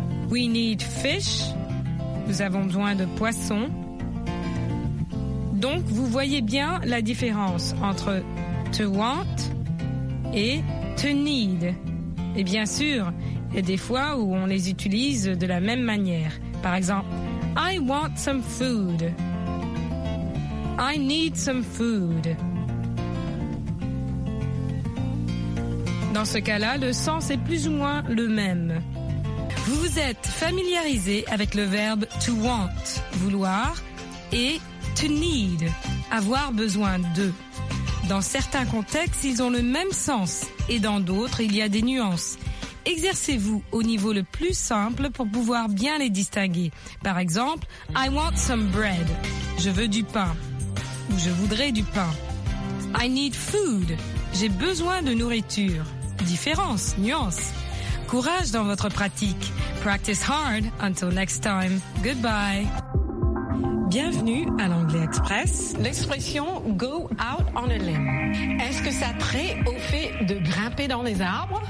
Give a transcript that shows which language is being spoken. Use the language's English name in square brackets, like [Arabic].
[English] We need fish. [French] Nous avons besoin de poisson. Donc, vous voyez bien la différence entre to want et to need. Et bien sûr, il y a des fois où on les utilise de la même manière. Par exemple, [English] I want some food. I need some food. [French] Dans ce cas-là, le sens est plus ou moins le même. Vous vous êtes familiarisé avec le verbe to want, vouloir, et to need, avoir besoin de. Dans certains contextes, ils ont le même sens, et dans d'autres, il y a des nuances. Exercez-vous au niveau le plus simple pour pouvoir bien les distinguer. Par exemple, [English] I want some bread. [French] Je veux du pain. Ou je voudrais du pain. [English] I need food. [French] J'ai besoin de nourriture. Différence, nuance. Courage dans votre pratique. [English] Practice hard. Until next time. Goodbye. [French] Bienvenue à l'Anglais Express. L'expression « go out on a limb ». Est-ce que ça trait au fait de grimper dans les arbres?